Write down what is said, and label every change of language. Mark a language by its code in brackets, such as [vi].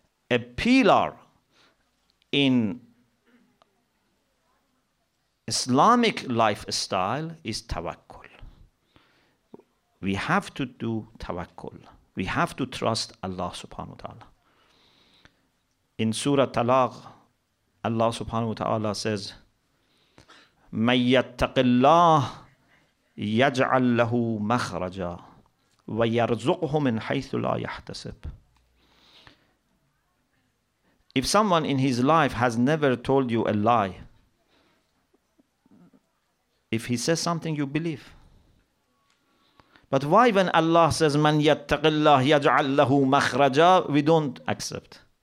[en] A pillar in Islamic lifestyle is tawakkul. We have to do tawakkul. We have to trust Allah subhanahu wa ta'ala. In Surah Talaq, Allah subhanahu wa ta'ala says, [ar] مَنْ يَتَّقِ اللَّهِ يَجْعَلْ لَهُ مَخْرَجًا وَيَرْزُقْهُ مِنْ حَيْثُ لَا يَحْتَسِبْ. [en] If someone in his life has never told you a lie, if he says something, you believe. But why when Allah says, [ar] مَنْ يَتَّقِ اللَّهِ يَجْعَلْ لَهُ مَخْرَجًا, [en] we don't accept?